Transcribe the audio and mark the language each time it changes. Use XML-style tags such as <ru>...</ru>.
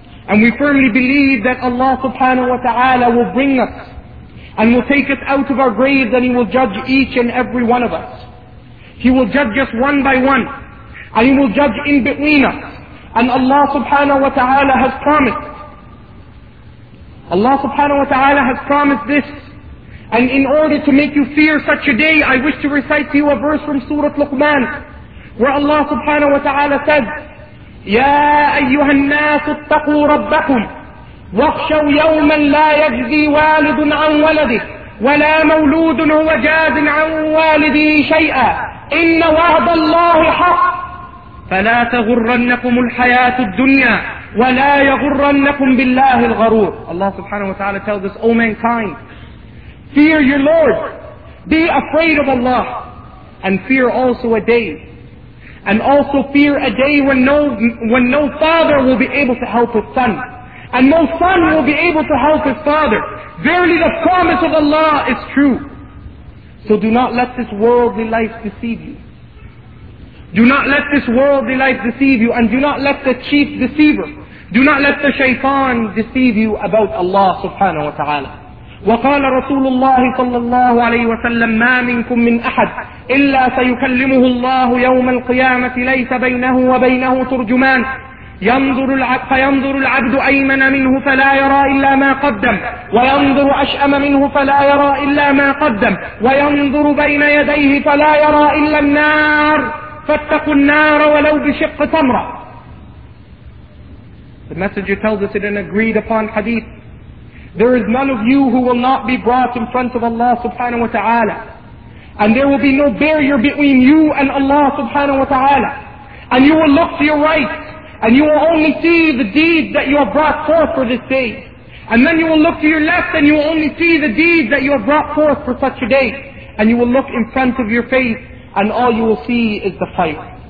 <en>And we firmly believe that Allah subhanahu wa ta'ala will bring us and will take us out of our graves and He will judge each and every one of us. He will judge us one by one. And He will judge in between us. And Allah subhanahu wa ta'ala has promised. Allah subhanahu wa ta'ala has promised this. And in order to make you fear such a day, I wish to recite to you a verse from Surah Luqman, where Allah subhanahu wa ta'ala said,</en> <ar>يَا أَيُّهَا النَّاسُ اتَّقُوا رَبَّكُمْ وَاخْشَوْا يَوْمًا لَا يَجْزِي وَالِدٌ عَنْ وَلَدِهِ وَلَا مَوْلُودٌ هُوَ جَازٍ عَنْ وَالِدِهِ شَيْئًا إِنَّ وَعْدَ اللَّهِ حَقٌّ فَلَا تَغُرَّنَّكُمُ الْحَيَاةُ الدُّنْيَا وَلَا يَغُرَّنَّكُمْ بِاللَّهِ الْغَرُورِ.</ar> <en>Allah subhanahu wa ta'ala tells us, O mankind, fear your Lord, be afraid of Allah, and fear also a day. And also fear a day when no father will be able to help his son. And no son will be able to help his father. Verily the promise of Allah is true. So do not let this worldly life deceive you. Do not let this worldly life deceive you, and do not let the chief deceiver, do not let the shaitan deceive you about Allah subhanahu wa ta'ala.</en> <ar>وَقَالَ رَسُولُ اللَّهِ صَلَّى اللَّهُ عَلَيْهِ وَسَلَّمْ مَا مِنْكُمْ مِنْ أَحَدٍ إِلَّا سَيُكَلِّمُهُ اللَّهُ يَوْمَ الْقِيَامَةِ لَيْسَ بَيْنَهُ وَبَيْنَهُ تُرْجُمَانٍ فينظر العبد أيمن منه فلا يرى إلا ما قدم وينظر أشأم منه فلا يرى إلا ما قدم وينظر بين يديه فلا يرى إلا النار فاتقوا النار ولو بشق تمرة.</ar> <en>The Messenger tells us in an agreed upon hadith, there is none of you who will not be brought in front of Allah subhanahu wa ta'ala, and there will be no barrier between you and Allah subhanahu wa ta'ala, and you will look to your right and you will only see the deeds that you have brought forth for this day, and then you will look to your left and you will only see the deeds that you have brought forth for such a day, and you will look in front of your face and all you will see is the fire.</en>